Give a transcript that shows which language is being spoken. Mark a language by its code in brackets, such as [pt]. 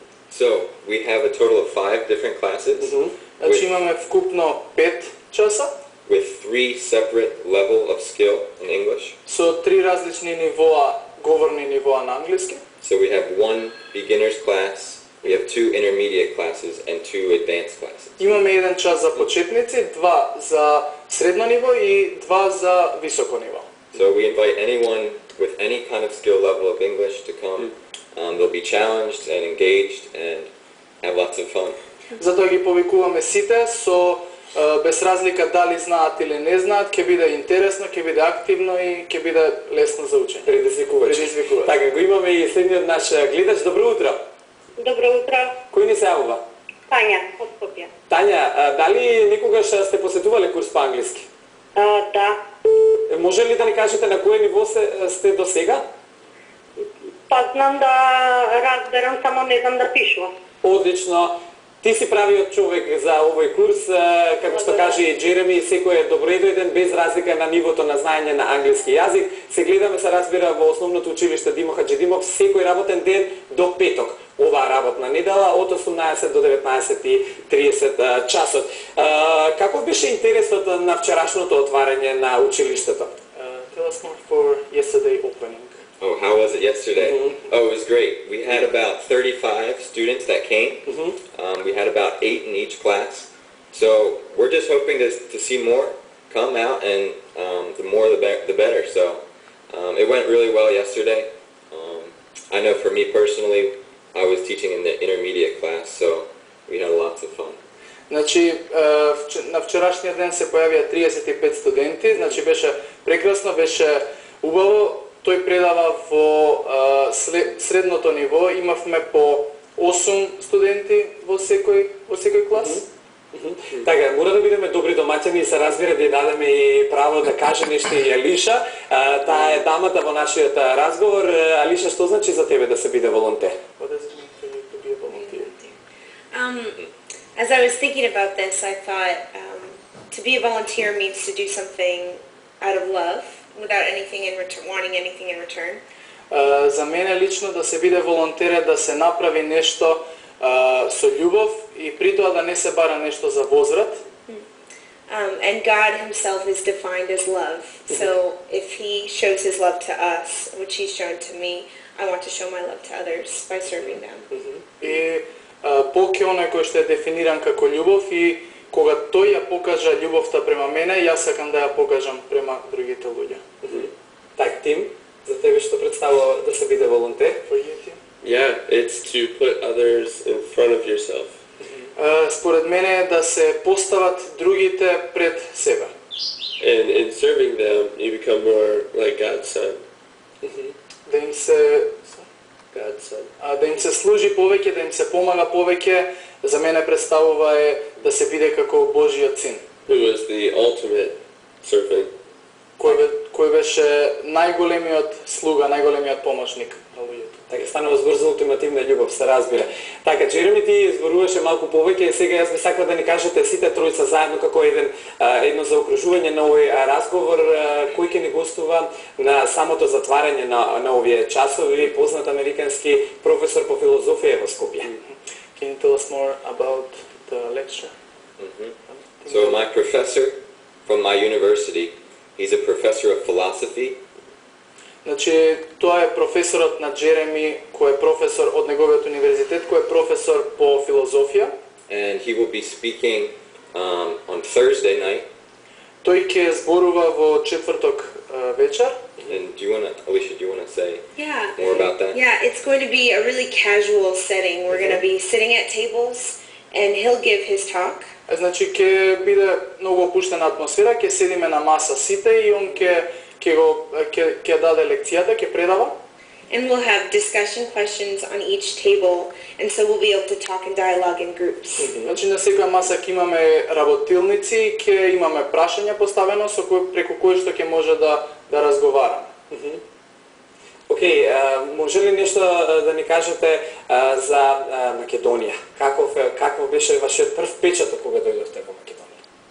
[en] So, we have a total of 5 different classes. [mk] Значи имаме вкупно 5 часа. [en] With 3 separate level of skill in English. [mk] Со 3 различни нивоа, говорни нивоа на англиски. [en] So we have 1 beginner's class, we have 2 intermediate classes and 2 advanced classes. [mk] Имаме еден час за почетници, 2 за средно ниво и 2 за високо ниво. [en] So we invite anyone with any kind of skill level of English to come. They'll be challenged and engaged and have lots of fun. [mk] Затоа ги повикуваме сите со без разлика дали знаат или не знаат, ќе биде интересно, ќе биде активно и ќе биде лесно за учење. Предизвикувач. Така, го имаме и следниот наш гледач. Добро утро. Добро утро. Кој ни се јавува? Тања од Скопје. Тања, дали никогаш сте посетувале курс по англиски? Да. Може ли да ни кажете на кој ниво сте до сега? Па знам да разберам, само не знам да пишувам. Одлично. Ти си правиот човек за овој курс, како што каже и Джереми, секој е добредојден, без разлика на нивото на знаење на англиски јазик. Се гледаме, се разбира, во основното училиште Димо Хаджи Димов, секој работен ден до петок. Оваа работна недела од 18 до 19.30 часот. Каков беше интересот на вчерашното отварање на училиштето? [en] Tell us more for yesterday opening. Oh, how was it yesterday? Mm-hmm. Oh, it was great. We had about 35 students that came. Mm-hmm. We had about 8 in each class. So we're just hoping to see more come out, and the more the better. So it went really well yesterday. I know for me personally, I was teaching in the intermediate class, so we had lots of fun. [mk] Значи, на вчерашниот ден се појавија 35 студенти. Значи, беше прекрасно, беше убаво. Тој предава во средното ниво, имавме по 8 студенти во секој клас. Така, мора да бидеме добри домаќани и се разбира да ја дадеме и право да каже нешто и Алиша. Таа е дамата во нашиот разговор. Алиша, што значи за тебе да се биде волонтер? [en] What does it mean to be a volunteer? As I was thinking about this, I thought to be a volunteer means to do something out of love. Without anything in return, wanting anything in return. [mk] За мене лично да се биде волонтер е да се направи нешто со љубов и при тоа да не се бара нешто за возврат. [en] And God himself is defined as love. So if he shows his love to us, which he's shown to me, I want to show my love to others by serving them. [mk] И Бог е оној кој што е дефиниран како љубов и кога тој ја покажа љубовта према мене, јас сакам да ја покажам према другите луѓе. Так, Тим, за тебе што представува да се биде волонтер? [en] Yeah, it's to put others in front of yourself. [mk] Според мене е да се постават другите пред себе. [en] And in serving them, you become more like God's son. [mk] Да им се... [en] God's son. [mk] Да им се служи повеќе, да им се помага повеќе, за мене представува е да се биде како Божјиот син. [en] Who was the ultimate servant? [mk] Кој беше најголемиот слуга, најголемиот помошник на луѓето. Така, станува збор за ултимативна љубов, се разбира. Така, Джереми, ти зборуваше малку повеќе и сега јас би сакал да ни кажете сите тројца заедно како еден едно заокружување на овој разговор, кој ќе ни гостува на самото затварање на овие часови, познат американски професор по филозофија во Скопје. [en] Can you tell us more about the lecture? So my professor from my university, he's a professor of philosophy. [mk] Значи, тоа е професорот на Джереми, кој е професор од неговиот универзитет, кој е професор по филозофија. [en] And he will be speaking on Thursday night. [mk] Тој ќе зборува во четврток вечер. [en] And do you want to, Alicia, do you want to say more about that? Yeah, it's going to be a really casual setting. We're going to be sitting at tables and he'll give his talk. [mk] Значи ќе биде многу опуштена атмосфера, ќе седиме на маса сите и он ќе даде лекцијата, ќе предава. [en] And we'll have discussion questions on each table and so we'll be able to talk and dialogue in groups. [mk] Значи на секоја маса ќе имаме работилници, ќе имаме прашања поставено со кој преку кој што ќе може да разговара. Океј, може ли нешто да ни кажете за Македонија? Каков беше вашиот прв печаток кога дојдовте во Македонија?